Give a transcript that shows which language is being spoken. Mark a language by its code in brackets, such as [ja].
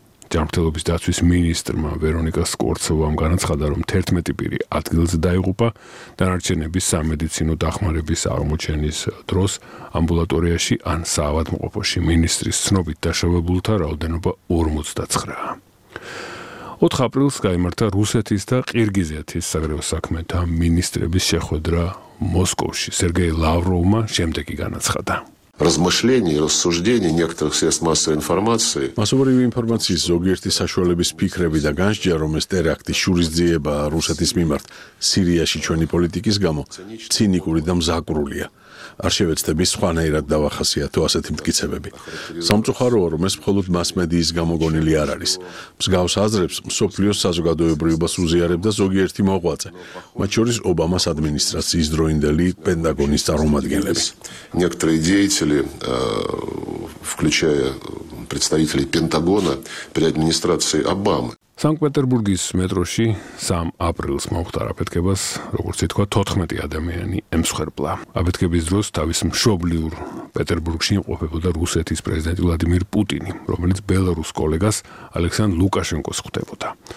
[ka] ჯანმრთელობის დაცვის მინისტრმა ვერონიკა სკორცოვამ განაცხადა, რომ 11 პირი ადგილზე დაიღუპა დანარჩენების სამედიცინო დახმარების აღმოჩენის დროს ამბულატორიაში ან საავადმყოფოში. მინისტრის ცნობით დაშავებულთა რაოდენობა 59-ა. 4 აპრილს გამართა რუსეთის და ყირგიზეთის საგარეო საქმეთა მინისტრების შეხვედრა მოსკოვში. სერგეი ლავროვმა შემდეგი განაცხადა. [ru] Размышления и рассуждения некоторых средств массовой информации. Масовой информации [ka] ზოგიერთი საშუალების ფიქრები და განსჯა, რომ ეს ტერაქტი შურისძიება რუსეთის მიმართ სირიაში ჩვენი პოლიტიკის გამო, ცინიკური და მზაკრულია. არშევეცდების სხვანაირად დავახასიათო ასეთი მტკიცებები. სამწუხაროა, რომ ეს მხოლოდ მასმედიის გამოგონილი არ არის. მსგავს აზრებს მსოფლიოს საზოგადოებრიობას უზიარებდა ზოგიერთი მოღვაწე, მათ შორის ობამას ადმინისტრაციის დროინდელი პენტაგონის წარმომადგენლები. [ru] Некоторые деятели, включая представителей Пентагона при администрации Обамы. [ka] Санкт-Петербургის მეტროში 3 აპრილს მომხდარა ფეთქებას, როგორც ითქვა, 14 ადამიანი ემსხვერპლა. აფეთქების დროს თავის მშობლიურ პეტერბურგში იმყოფებოდა რუსეთის პრეზიდენტი ვლადიმირ პუტინი, რომელიც ბელარუს კოლეგას ალექსანდრ ლუკაშენკოს ხვდებოდა.